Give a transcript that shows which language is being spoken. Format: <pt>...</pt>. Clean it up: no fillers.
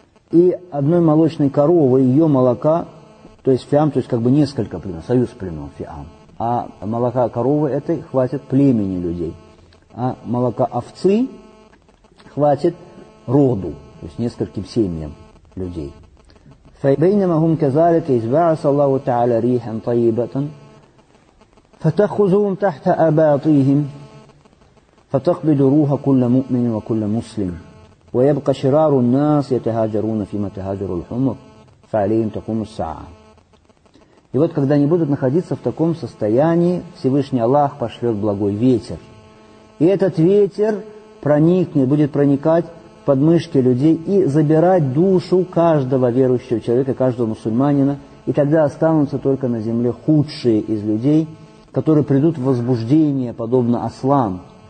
<ru>И одной молочной коровы, ее молока, то есть фиам, то есть как бы несколько племен, союз племен, фиам. А молока коровы этой хватит племени людей. А молока овцы хватит роду, то есть нескольким семьям людей.</ru> <ar>فَيْبَيْنَمَا هُمْ كَذَلِكَ إِذْبَعَسَ اللَّهُ تَعَلَى رِيحًا طَيِّبَةً فَتَخُذُهُمْ تَحْتَ أَبَاطِيهِمْ فَتَقْبِدُ رُوحَ كُلَّ مُؤْمِنٍ وَكُلَّ مُسْلِمٍ وَيَبْقَ شِرَارُ النَّاسِ يَتَهَاجَرُونَ فِيمَا تَهَاجَرُ الْحُمُرُ فَعَلَيْهِمْ تَقُومُ السَّاعَةُ.</ar> <ru>И вот когда они будут находиться в таком состоянии, Всевышний Аллах пошлет благой ветер. И этот ветер проникнет, будет проникать подмышки людей и забирать душу каждого верующего человека, каждого мусульманина, и тогда останутся только на земле худшие из людей, которые придут в возбуждение, подобно ослам.</ru>